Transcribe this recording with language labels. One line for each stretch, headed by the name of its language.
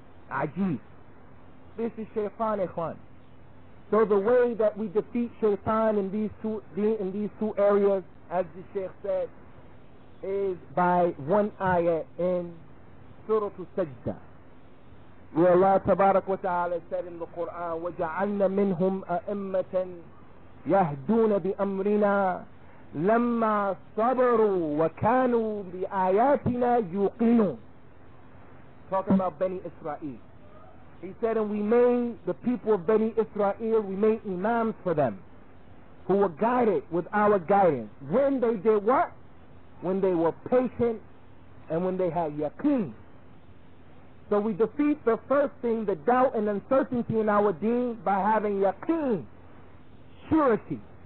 English: Ajeez. This is shaitan ikhwan. So the way that we defeat shaitan in these two areas, as the Sheikh said, is by one ayah in Surah Al-Sajdah. where Allah tabarak wa ta'ala said in the Quran,
Arabic: وَجَعَلْنَا مِنْهُمْ أَئِمَّةً يَهْدُونَ بِأَمْرِنَا لَمَّا صَبَرُوا وَكَانُوا بِآيَاتِنَا يُقِنُونَ.
English: Talking about Bani Israel. He said, and we made the people of Bani Israel, we made imams for them who were guided with our guidance. When they did what? When they were patient and when they had yaqeen. So we defeat the first thing, the doubt and uncertainty in our deen, by having yaqeen, surety.